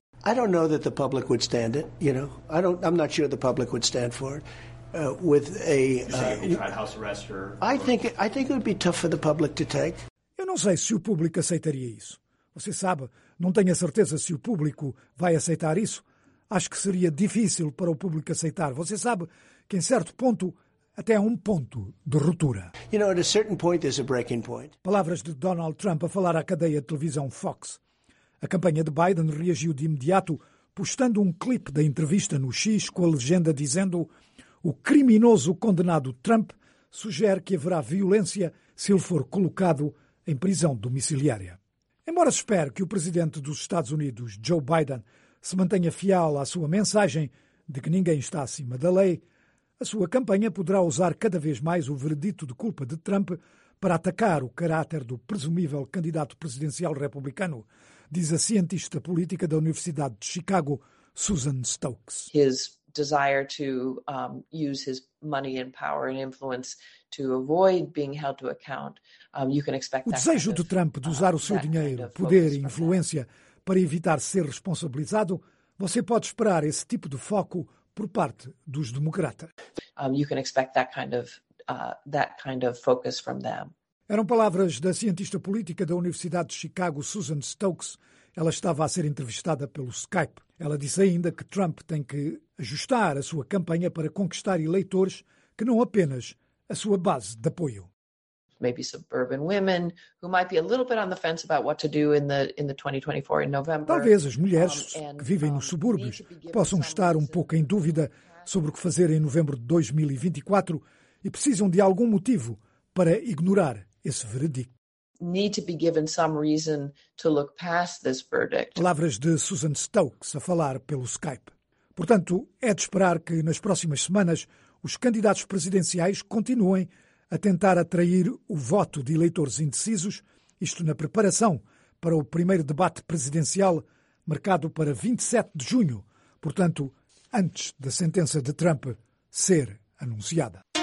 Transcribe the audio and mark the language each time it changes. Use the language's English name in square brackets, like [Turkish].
[English] I don't know that the public would stand it, you know. I'm not sure the public would stand for it. I think it would be tough for the public to take. [Portuguese] Eu não sei se o público aceitaria isso. Você sabe, não tenho a certeza se o público vai aceitar isso. Acho que seria difícil para o público aceitar. Você sabe que, em certo ponto, até um ponto de ruptura. [English] You know, at a certain point, there's a breaking point. [Portuguese] Palavras de Donald Trump a falar à cadeia de televisão Fox. A campanha de Biden reagiu de imediato, postando um clipe da entrevista no X com a legenda dizendo: o criminoso condenado Trump sugere que haverá violência se ele for colocado em prisão domiciliária. Embora se espere que o presidente dos Estados Unidos, Joe Biden, se mantenha fiel à sua mensagem de que ninguém está acima da lei, a sua campanha poderá usar cada vez mais o veredito de culpa de Trump para atacar o caráter do presumível candidato presidencial republicano, diz a cientista política da Universidade de Chicago, Susan Stokes. [English] His desire to use his money and power and influence to avoid being held to account, you can expect that. [Portuguese] O desejo de Trump de usar o seu dinheiro, poder e influência para evitar ser responsabilizado, você pode esperar esse tipo de foco por parte dos democratas. [English] You can expect that kind of focus from them. [Portuguese] Eram palavras da cientista política da Universidade de Chicago, Susan Stokes. Ela estava a ser entrevistada pelo Skype. Ela disse ainda que Trump tem que ajustar a sua campanha para conquistar eleitores que não apenas a sua base de apoio. [English] Maybe suburban women who might be a little bit on the fence about what to do in the 2024 in November. [Portuguese] Talvez as mulheres que vivem nos subúrbios possam estar um pouco em dúvida sobre o que fazer em novembro de 2024 e precisam de algum motivo para ignorar esse veredicto. [English] Need to be given some reason to look past this verdict. [Portuguese] Palavras de Susan Stokes a falar pelo Skype. Portanto, é de esperar que nas próximas semanas os candidatos presidenciais continuem a tentar atrair o voto de eleitores indecisos, isto na preparação para o primeiro debate presidencial marcado para 27 de junho, portanto, antes da sentença de Trump ser anunciada.